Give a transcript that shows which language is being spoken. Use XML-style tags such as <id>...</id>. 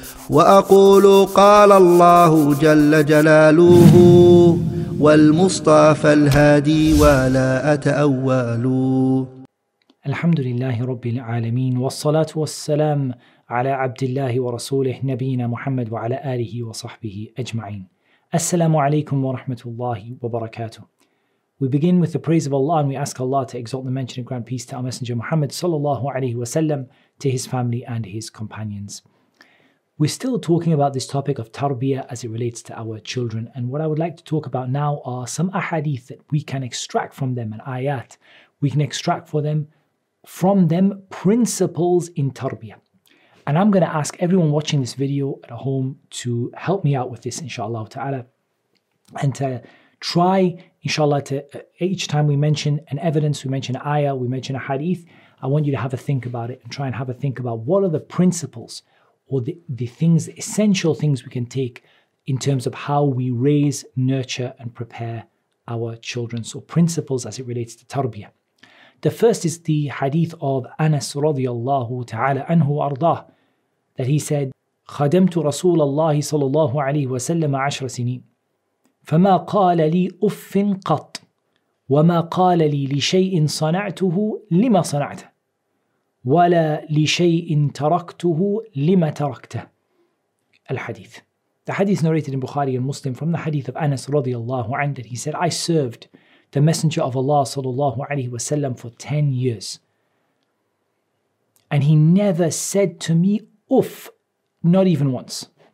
<ar>وأقول قال الله جل جلاله والمصطفى الهادي ولا أتأول. الحمد لله رب العالمين والصلاة والسلام على عبد الله ورسوله نبينا محمد وعلى آله وصحبه أجمعين. السلام عليكم ورحمة الله وبركاته.</ar> <en>We begin with the praise of Allah, and we ask Allah to exalt the mention and grant peace to our Messenger Muhammad sallallahu alaihi wasallam, to his family and his companions. We're still talking about this topic of tarbiyah as it relates to our children, and what I would like to talk about now are some ahadith that we can extract from them, and ayat we can extract from them principles in tarbiyah. And I'm going to ask everyone watching this video at home to help me out with this, inshallah ta'ala, and to try, inshallah, to each time we mention an evidence, we mention an ayah, we mention a hadith, I want you to have a think about it and try and have a think about what are the principles or the things, the essential things we can take in terms of how we raise, nurture, and prepare our children. So principles as it relates to tarbiyah. The first is the hadith of Anas radiallahu ta'ala anhu ardah, that he said,</en> <ar>خَدَمْتُ رَسُولَ اللَّهِ صَلَى اللَّهُ عَلَيْهِ وَسَلَّمَ عَشْرَ سِنِينَ فما قال لي أف قط وما قال لي لشيء صنعته لما صنعته ولا لشيء تركته لما تركته. الحديث.</ar> <en>The hadith narrated in Bukhari and Muslim from the hadith of Anas radiallahu anhu, that he said, I served the Messenger of Allah sallallahu alayhi wa sallam for 10 years. And he never said to me, uff, not even once.</en>